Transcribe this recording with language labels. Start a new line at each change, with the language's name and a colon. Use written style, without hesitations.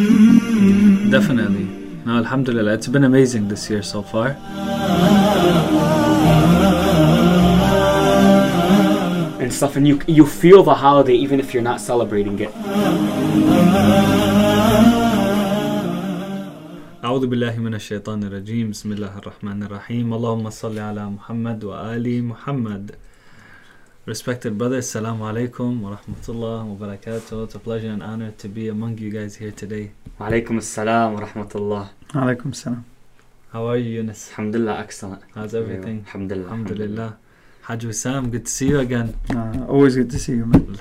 English: Alhamdulillah, it's been amazing this year so far. And stuff, and you feel the holiday even if you're not celebrating it.
Arabic: أعوذ بالله من الشيطان الرجيم بسم الله الرحمن الرحيم اللهم صل على محمد وآل محمد.
English: Respected brothers,
Arabic: assalamu alaikum wa rahmatullah wa barakatuh.
English: It's a pleasure and honor to be among you guys here today.
Arabic: Wa alaikum assalam wa rahmatullah. Wa alaikum assalam.
English: How are you, Yunus? Alhamdulillah, excellent. How's everything?
Arabic: Alhamdulillah. Alhamdulillah.
English: Haj Wissam, good to see you again. Always good to see you, man.